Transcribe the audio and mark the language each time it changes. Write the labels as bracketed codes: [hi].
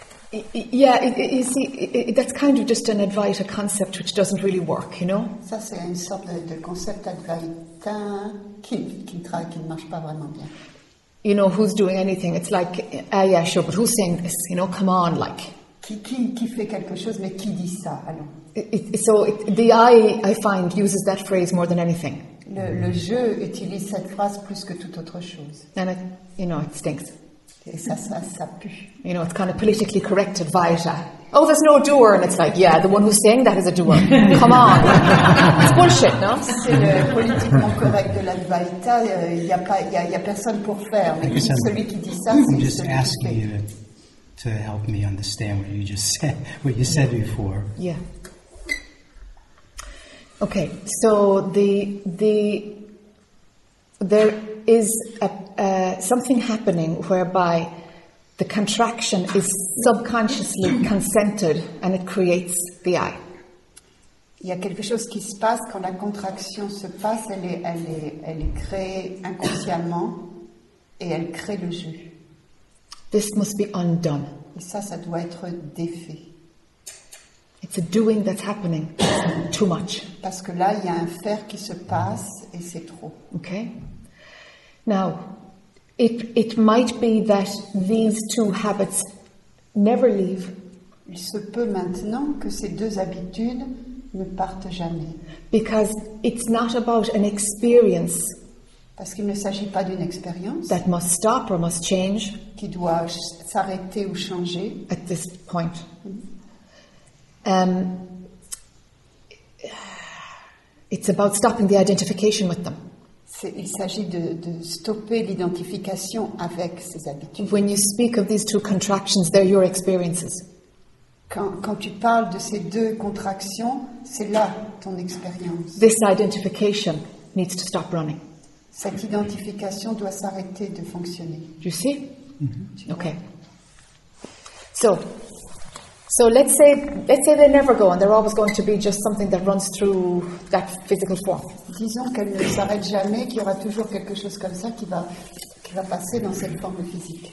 [en] Yeah, you see, that's kind of just an Advaita concept which doesn't really work, you know? [fr] Ça, c'est une sorte de concept Advaita qui ne marche pas vraiment bien. [en] You know, who's doing anything? It's like, yeah, sure, but who's saying this? You know, come on, like. [fr] Qui fait quelque chose, mais qui dit ça? Allons. [en] I find, uses that phrase more than anything. [fr] Le jeu utilise cette phrase plus que toute autre chose. [en] And it, you know, it stinks. [fr] Et ça pue. [en] You know, it's kind of politically correct Advaita. Oh, there's no doer. And it's like, yeah, the one who's saying that is a doer. Come on. It's bullshit, no? [fr] C'est le politiquement correct de l'Advaita. Il n'y a personne pour faire. Mais celui qui dit ça, c'est [en] just asking you to help me understand what you just said, before. Yeah. Okay, so the there is something happening whereby the contraction is subconsciously consented and it creates the I. [fr] Il y a quelque chose qui se passe quand la contraction se passe, elle est créée inconsciemment et elle crée le jeu. [en] This must be undone. [fr] Et ça doit être défait. [en] It's a doing that's happening too much. [fr] Parce que là, il y a un faire qui se passe et c'est trop. [en] Okay. Now, it might be that these two habits never leave. [fr] Il se peut maintenant que ces deux habitudes ne partent jamais. [en] Because it's not about an experience. [fr] Parce qu'il ne s'agit pas d'une expérience. [en] That must stop or must change. [fr] Qui doit s'arrêter ou changer. [en] At this point. It's about stopping the identification with them. [fr] Il s'agit de stopper l'identification avec ces habitudes. [en] When you speak of these two contractions, they're your experiences. [fr] Quand tu parles de ces deux contractions, c'est là ton expérience. [en] This identification needs to stop running. [fr] Cette identification doit s'arrêter de fonctionner. [en] You see? Mm-hmm. Okay. So let's say they never go and they're always going to be just something that runs through that physical form. [fr] Disons qu'elle ne s'arrête jamais, qu'il y aura toujours quelque chose comme ça qui va passer dans cette forme physique.